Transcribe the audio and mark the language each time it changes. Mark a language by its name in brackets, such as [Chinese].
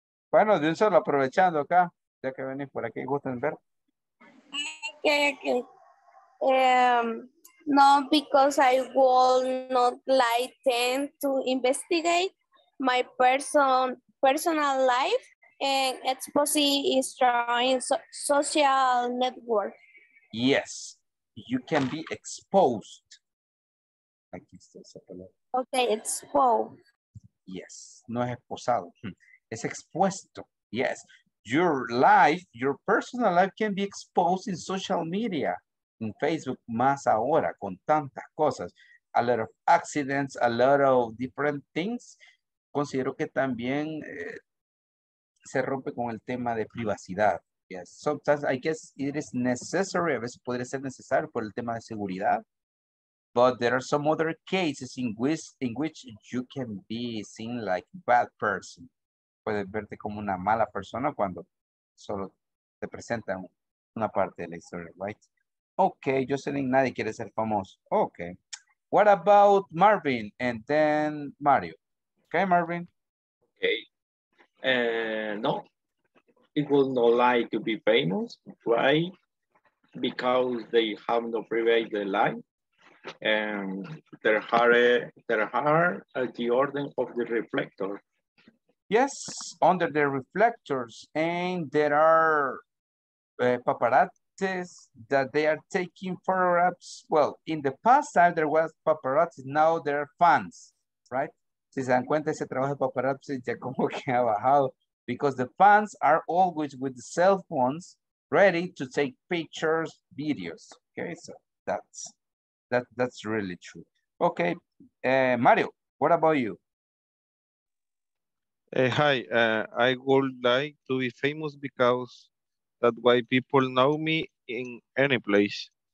[Spanish] Bueno, de un solo aprovechando acá, ya que venís por aquí, gusten ver. Okay. [English] No, because I would not like them to investigate my personal life and exposing is trying social network. Yes, you can be exposed. [Spanish] Aquí está esa palabra. [English] Okay, exposed. [Spanish] Yes, no es esposado. Es expuesto. [English] Yes, your life, your personal life can be exposed in social media. In Facebook, [Spanish] más ahora, con tantas cosas. [English] A lot of accidents, a lot of different things. [Spanish] Considero que también se rompe con el tema de privacidad. [English] Yes, sometimes I guess it is necessary, [Spanish] a veces podría ser necesario por el tema de seguridad. [English] But there are some other cases in which you can be seen like a bad person. [Spanish] Puedes verte como una mala persona cuando solo te presentan una parte de la historia, right? [English] Okay, Jocelyn, [Spanish] nadie quiere ser famoso. [English] Okay. What about Marvin and then Mario? Okay, Marvin. Okay. No, it would not like to be famous. Why? Because they have no private life. And they're hard at the order of the reflector. Yes, under the reflectors. And there are paparazzi that they are taking photographs. Well, in the past time there was paparazzi, now there are fans, right? [Spanish] Si se dan cuenta, ese trabajo de paparazzi ya como que ha bajado. [English] Because the fans are always with the cell phones ready to take pictures, videos. Okay, so that's really true. Okay, Mario, what about you? Hi, I would like to be famous because that's why people know me in any place.